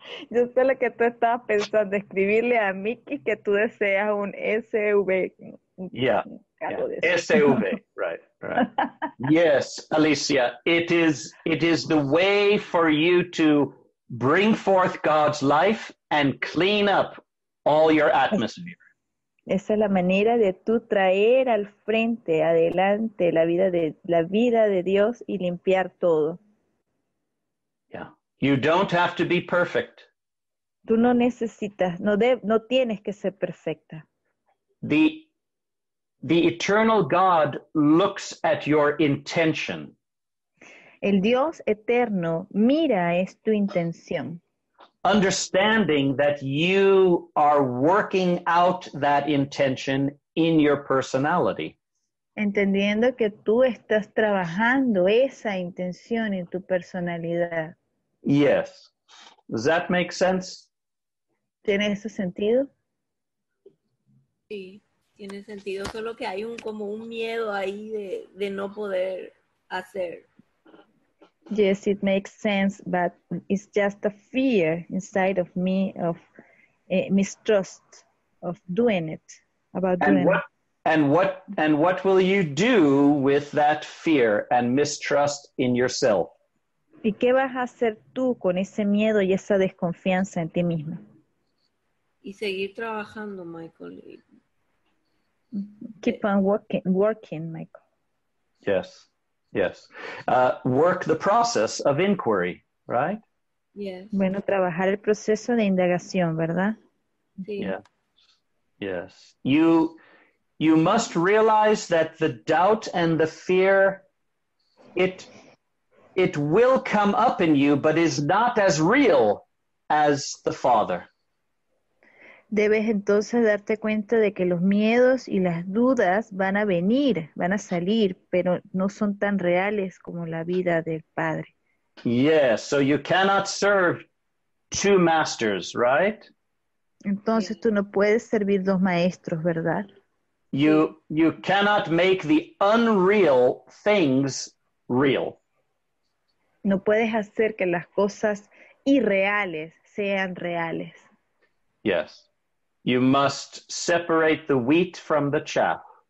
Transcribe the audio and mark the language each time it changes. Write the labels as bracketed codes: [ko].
[es] Yo sé lo que tú estabas pensando, escribirle a Mikis que tú deseas un SUV. [en] Yeah. SUV, right. Yes, Alicia, it is the way for you to bring forth God's life and clean up all your atmosphere. [es] Esa es la manera de tú traer al frente, adelante, la vida de Dios y limpiar todo. [en] Yeah. You don't have to be perfect. [es] Tú no necesitas, no tienes que ser perfecta. [en] The eternal God looks at your intention. [es] El Dios eterno mira es tu intención. [en] Understanding that you are working out that intention in your personality. [es] entendiendo que tú estás trabajando esa intención en tu personalidad. [en] Yes. Does that make sense? [es] ¿Tiene ese sentido? Sí, tiene sentido, solo que hay un como un miedo ahí de no poder hacer. [en] Yes, it makes sense, but it's just a fear inside of me of mistrust of doing it, about doing it. And what will you do with that fear and mistrust in yourself? [es] ¿Y qué vas a hacer tú con ese miedo y esa desconfianza en ti misma? Y seguir trabajando, Michael. [en] Keep on working, Michael. Yes. Work the process of inquiry, right? Yes. [es] Bueno, trabajar el proceso de indagación, ¿verdad? Sí. [en] Yes. You must realize that the doubt and the fear, it will come up in you, but is not as real as the Father. [es] Debes entonces darte cuenta de que los miedos y las dudas van a venir, van a salir, pero no son tan reales como la vida del Padre. [en] Yes, so you cannot serve two masters, right? [es] Entonces tú no puedes servir dos maestros, ¿verdad? [en] You cannot make the unreal things real. [es] No puedes hacer que las cosas irreales sean reales. [en] Yes. You must separate the wheat from the chaff.